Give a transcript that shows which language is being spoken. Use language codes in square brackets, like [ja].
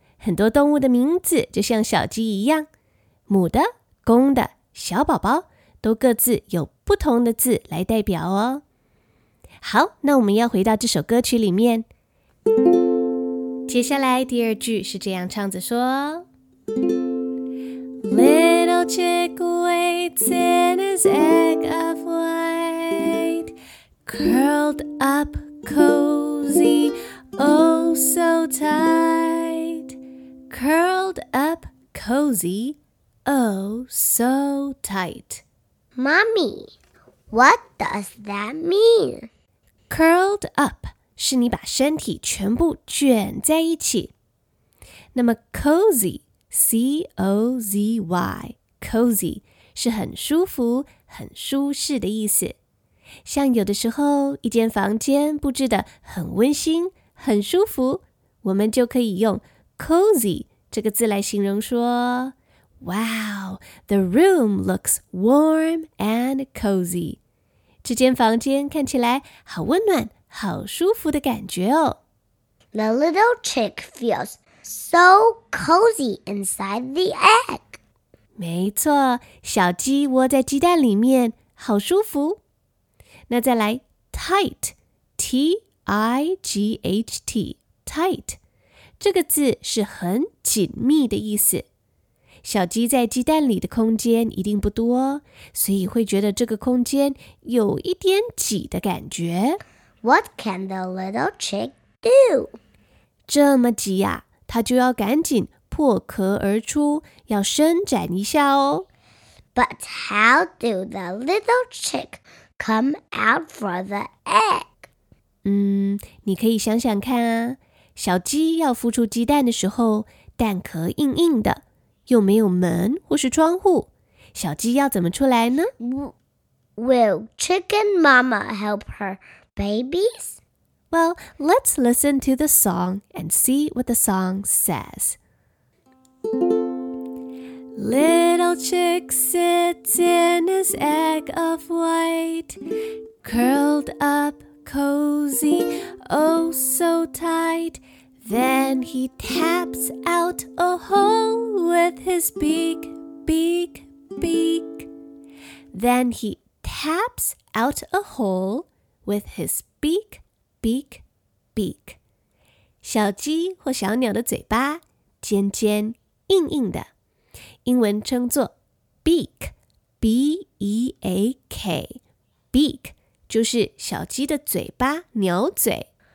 [zh] 很多动物的名字就像小鸡一样。母的、公的、小宝宝都各自有不同的字来代表哦。好，那我们要回到这首歌曲里面。接下来第二句是这样唱着说 [en] Little chick waits in his egg of white Curled up cozy, oh so tight Curled up cozy, oh so tight Mommy, what does that mean? Curled up [zh] 是你把身体全部卷在一起。那么 cozy, C-O-Z-Y, cozy, 是很舒服、很舒适的意思。像有的时候一间房间布置得很温馨、很舒服，我们就可以用 cozy 这个字来形容说 [en] Wow, the room looks warm and cozy. [zh] 这间房间看起来好温暖。好舒服的感觉哦。 [en] The little chick feels so cozy inside the egg. [zh] 没错，小鸡窝在鸡蛋里面，好舒服。那再来 ,tight, T-I-G-H-T, tight, 这个字是很紧密的意思。小鸡在鸡蛋里的空间一定不多，所以会觉得这个空间有一点挤的感觉。 [en] What can the little chick do? [zh] 这么急啊，它就要赶紧破壳而出，要伸展一下哦。 [en] But how do the little chick come out for the egg? [zh] 你可以想想看啊，小鸡要孵出鸡蛋的时候，蛋壳硬硬的，又没有门或是窗户，小鸡要怎么出来呢？ [en] Will chicken mama help her? Babies? Well, let's listen to the song and see what the song says. Little chick sits in his egg of white, curled up cozy, oh so tight. Then he taps out a hole with his beak, beak, beak. Then he taps out a holeWith his beak, beak, beak. [zh] 小鸡或小鸟的嘴巴尖尖硬硬的，英文称作 beak, B-E-A-K. Beak 就是小鸡的嘴巴，鸟嘴。